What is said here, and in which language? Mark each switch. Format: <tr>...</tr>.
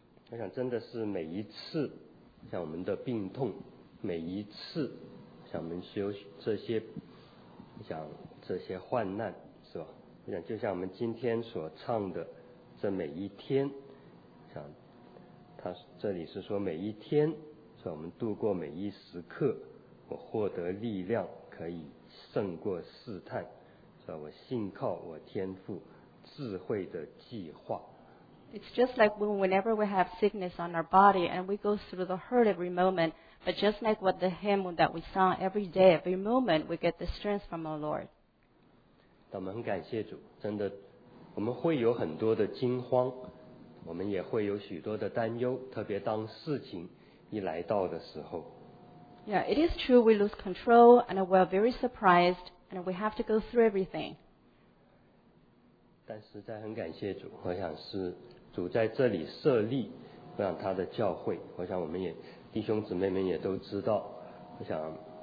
<zh>我想真的是每一次像我们的病痛每一次像我们修这些像这些患难是吧我想就像我们今天所唱的这每一天像他这里是说每一天是我们度过每一时刻我获得力量可以胜过试探是吧我信靠我天父智慧的计划</zh> <en>It's just like whenever we have sickness on our body and we go through the hurt every moment, but just like what the hymn that we sung every day, every moment, we get the strength from our Lord.</en> <zh>我们很感谢主，真的，我们会有很多的惊慌，我们也会有许多的担忧，特别当事情一来到的时候。</zh> <en>Yeah, it is true we lose control and we are very surprised and we have to go through everything.</en> <zh>但实在很感谢主我想是主在这里设立让他的教会我想我们也弟兄姊妹们也都知道我想</zh>